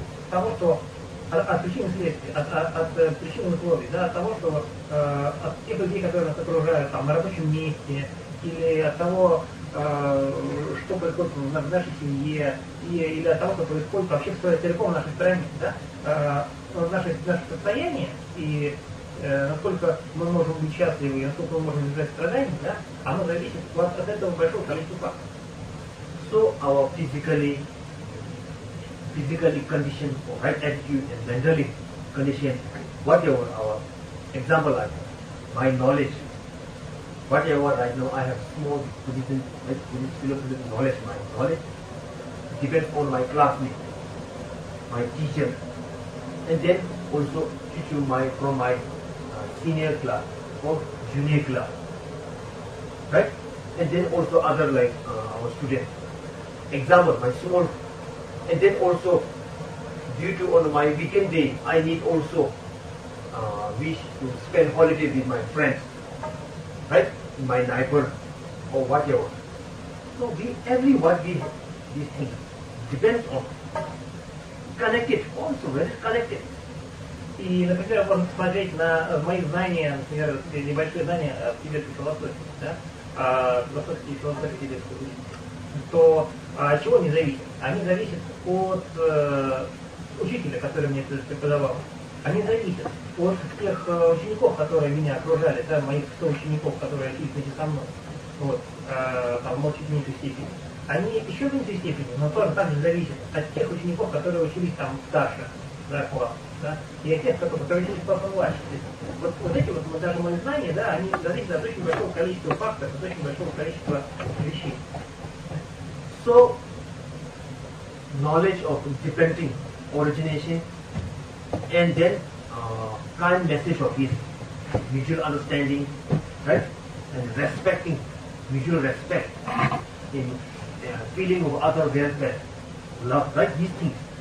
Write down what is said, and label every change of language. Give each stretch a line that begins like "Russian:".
Russian: того, что от причин следствия, от причин условий, да, от того, что от тех людей, которые нас окружают там, на рабочем месте, или от того, что происходит в нашей семье, или от того, что происходит вообще в целиком в нашей стране, да? Наше состояние и насколько мы можем быть счастливы, и насколько мы можем избежать страданий, да, оно зависит от этого большого количества факторов.
English: So our physically condition, or right attitude and mentally condition, whatever our example like, my knowledge. Whatever right now, I have small position, like philosophical knowledge, my knowledge depends on my classmate, my teacher, and then also teaching from my senior class or junior class, right? And then also other like our students. Example, my small, and then also due to on my weekend day, I need also wish to spend holiday with my friends, right? My neighbor or whatever. So these things depends on connected also, very connected.
Russian: И, например, можно посмотреть на мои знания, например, небольшие знания о тибетской философии, да, философские философии тибетской жизни, то от чего они зависят? Они зависят от учителя, который мне преподавал. Они зависят от тех учеников, которые меня окружали, да, моих 100 учеников, которые шли вместе со мной, вот, там, молчат в меньшей степени, они еще в меньшей степени, но тоже там же зависит от тех учеников, которые учились там старше, да, класс, да, и от тех, которые учились классом младше. Вот, вот эти вот, даже мои знания, да, они зависят от очень большого количества факторов, от очень большого количества вещей.
English: So, knowledge of differentiating origination and then prime message of his mutual understanding, right? And respecting, mutual respect in feeling of other welfare, love, right? These things.